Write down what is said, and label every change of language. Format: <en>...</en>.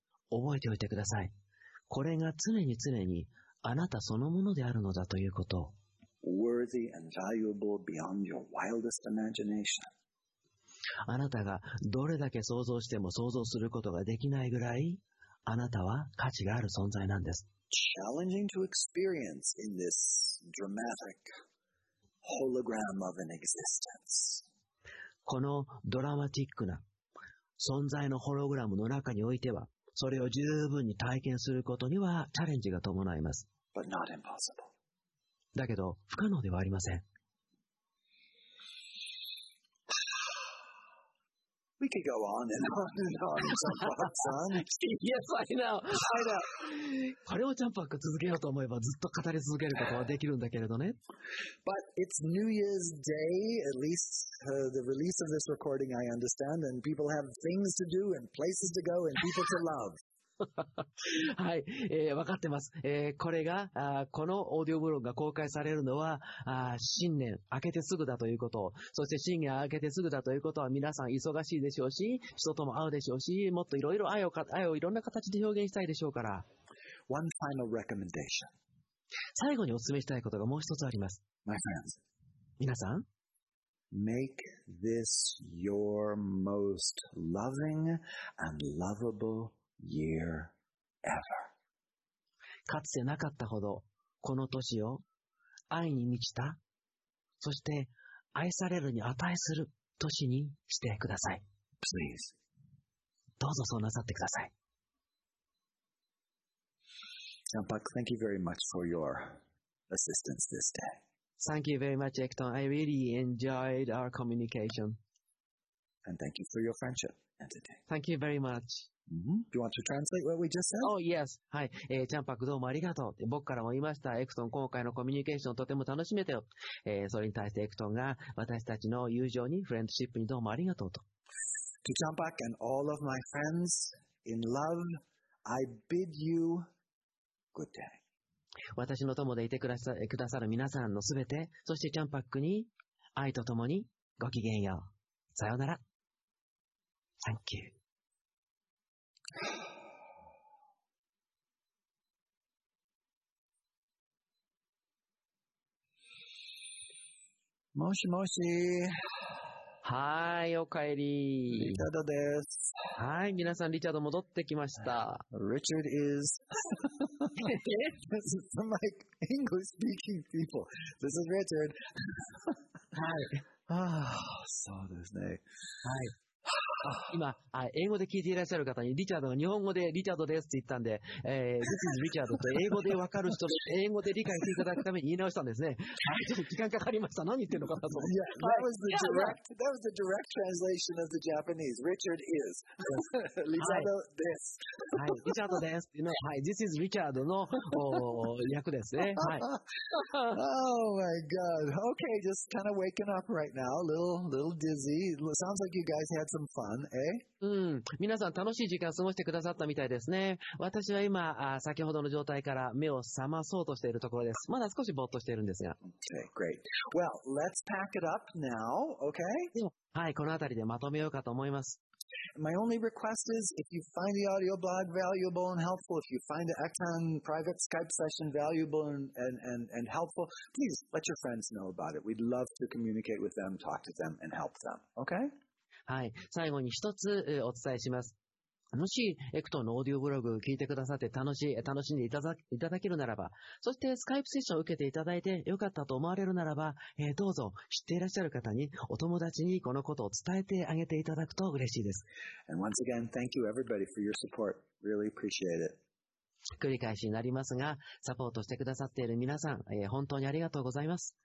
<ja>覚えておいてください。これが常に常にあなたそのものであるのだということ。</ja> <en>Worthy and valuable beyond your wildest imagination.</en> <ja>あなたがどれだけ想像しても想像することができないぐらい、あなたは価値がある存在なんです。</ja> <en>Challenging to experience in this dramatic hologram of an existence.</en> <ja>このドラマティックな存在のホログラムの中においては、それを十分に体験することにはチャレンジが伴います。</ja> <en>But not impossible.</en> <ja>だけど不可能ではありません。</ja> <en>We could go on and on and on. Yes, I know. I know.</en> <ja>これをチャンパック続けようと思えばずっと語り続けることはできるんだけれどね。</ja> <en>But it's New Year's Day, at least the release of this recording, I understand, and people have things to do and places to go and people to love.</en> <ja>はい、分かってます。これが、このオーディオブログが公開されるのは、新年明けてすぐだということ、そして新年明けてすぐだということは皆さん忙しいでしょうし、人とも会うでしょうし、もっといろいろ愛をいろんな形で表現したいでしょうから。</ja> <en>One final recommendation.</en> <ja>最後にお勧めしたいことがもう一つあります。</ja> <en>My friends.</en> <ja>皆さん。</ja> <en>Make this your most loving and lovable year ever.</en> <ja>かつてなかったほどこの年を愛に満ちた、そして愛されるに値する年にしてください。</ja> <en>Please.</en> <ja>どうぞそうなさってください。</ja> <en>John Buck, thank you very much for your assistance this day. Thank you very much, Ecton. I really enjoyed our communication. And thank you for your friendship and today. Thank you very much. Mm-hmm. Do you want to translate what we just said? Oh, yes.</en> <ja>はい。チャンパクどうもありがとう。僕からも言いました。エクトン、今回のコミュニケーションとても楽しめたよ。それに対してエクトンが私たちの友情に、フレンドシップにどうもありがとうと。</ja> <en>To チャンパク and all of my friends in love, I bid you good day.</en> <ja>私の友でいてくださる皆さんのすべて、そしてチャンパクに愛とともにごきげんよう。さようなら。</ja> <en>Thank you.</en> <ja>もしもし。はい、おかえり。リチャードです。はい、皆さん、リチャード戻ってきました。</ja> <en>Richard is. This is some like English speaking people. This is Richard.</en> <ja>はい。そうですね。はい。今英語で聞いていらっしゃる方にリチャードが日本語でリチャードですって言ったんで、</ja> <en>This is Richard</en> <ja>と英語で分かる人英語で理解していただくために言い直したんですね。ちょっと時間かかりました。何言ってるのかなと。</ja> <en>Yeah, that was the direct, that was the direct translation of the Japanese. Richard is.</en> <ja>リチャードです。はい、リチャードです。はい、</ja> <en>This is Richard</en> <ja>の略ですね。はい。</ja> <en>Oh my God. Okay, just kind of waking up right now. Little dizzy. Sounds like you guys had some fun.</en> <ja>うん、皆さん楽しい時間過ごしてくださったみたいですね。私は今先ほどの状態から目を覚まそうとしているところです。まだ少しぼっとしているんですが。</ja> <en>Okay, great. Well, let's pack it up now, okay?</en> <ja>はい、このあたりでまとめようかと思います。</ja> <en>My only request is if you find the audio blog valuable and helpful, if you find the Ecton private Skype session valuable and helpful, please let your friends know about it. We'd love to communicate with them, talk to them, and help them, okay?</en> <ja>はい、最後に一つお伝えします。もしエクトンのオーディオブログを聞いてくださって楽しんでいただけるならば、そしてスカイプセッションを受けていただいてよかったと思われるならば、どうぞ知っていらっしゃる方にお友達にこのことを伝えてあげていただくと嬉しいです。</ja> <en>And once again, thank you everybody for your support. Really appreciate it.</en> <ja>繰り返しになりますが、サポートしてくださっている皆さん、本当にありがとうございます。</ja>